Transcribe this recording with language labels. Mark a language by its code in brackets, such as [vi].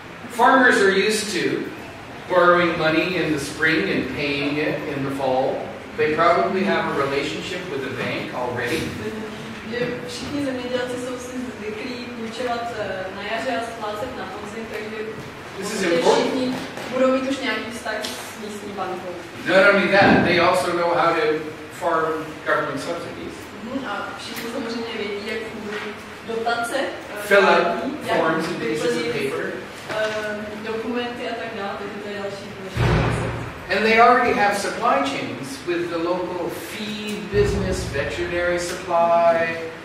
[en] Farmers are used to borrowing money in the spring and paying it in the fall. They probably have a relationship with the bank already. [cs] Všichni zemědělci jsou si zvyklí půjčovat na jaře a splácet na podzim, takže všichni budou mít už nějaký vztah s místní bankou. [en] Not only that, they also know how to farm government subsidies. [cs] A všichni samozřejmě vědí, jak fungují dotace. [en] Fill out forms and pieces of paper. [cs] Dokumenty a tak dále, takže to je další důležitý. [en] And they already have supply chains with the local feed business, veterinary supply.